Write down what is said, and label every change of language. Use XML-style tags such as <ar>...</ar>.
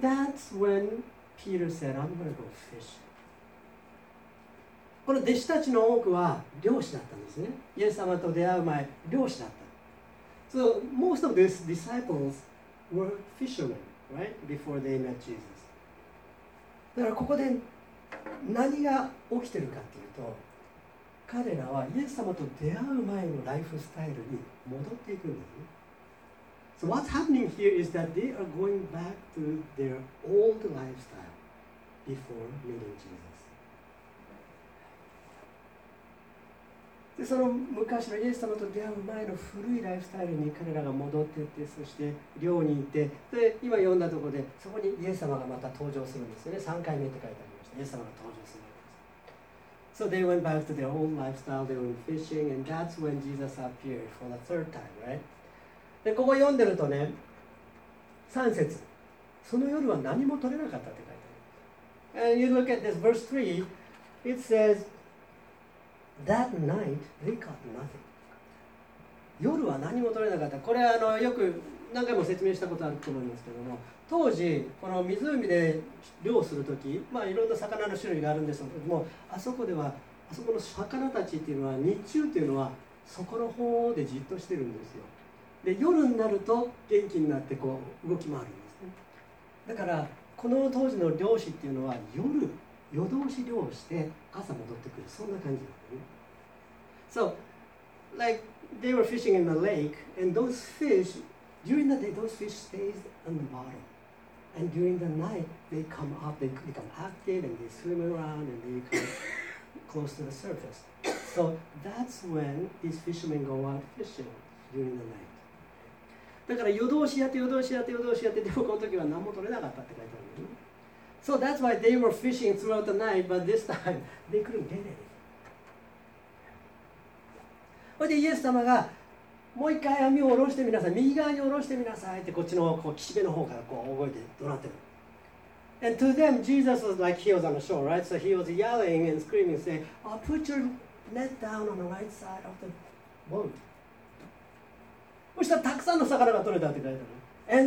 <en>And that's when Peter said, I'm going to go fish.</en> <ja>この弟子たちの多くは漁師だったんですね。イエス様と出会う前、漁師だった。</ja> <en>So most of these disciples were fishermen, right? Before they met Jesus.</en> <ja>だからここで何が起きてるかっていうと、彼らはイエス様と出会う前のライフスタイルに戻っていくんだよね。</ja> <en>So what's happening here is that they are going back to their old lifestyle before meeting Jesus.</en> <ja>で、その昔のイエス様と出会う前の古いライフスタイルに彼らが戻っていって、そして寮に行って、で、今読んだところでそこにイエス様がまた登場するんですよね。 3回目って書いてありました。イエス様が登場する。</ja> <en>So they went back to their own lifestyle, they were fishing, and that's when Jesus appeared for the third time, right?</en> <ja>で、ここ読んでるとね、3節、その夜は何も取れなかったって書いてある。</ja> <en>And you look at this verse 3, it says, that night they caught nothing.</en> <ja>夜は何も取れなかった。これはよく何回も説明したことあると思うんですけども、当時この湖で漁するとき、まあ、いろんな魚の種類があるんですけども、あそこでは、あそこの魚たちっていうのは日中っていうのはそこの方でじっとしてるんですよ。で、夜になると元気になってこう動き回るんですね。だからこの当時の漁師っていうのは夜、夜通し漁をして朝戻ってくる、そんな感じなんですね。</ja> <en>So, like they were fishing in the lake, and those fishDuring the day, those fish stay on the bottom. And during the night, they come up, they become active, and they swim around, and they come close to the surface. So that's when these fishermen go out fishing during the night.</en> <ja>だから夜通しやって、夜通しやって、夜通しやって、でもこの時は何も取れなかったって書いてあるよね。</ja> <en>So that's why they were fishing throughout the night, but this time, they couldn't get anything.</en> <ja>それでイエス様が、もう一回網を下ろしてみなさい、右側に下ろしてみなさいって、こっちのこう岸辺の方からこう動いて怒鳴ってる。</ja> <en>And to them, Jesus was like he was on the shore, right? So he was yelling and screaming, saying, I'll put your net down on the right side of the boat.</en> <ja>そしたらたくさんの魚が取れたって書いてある。</ja>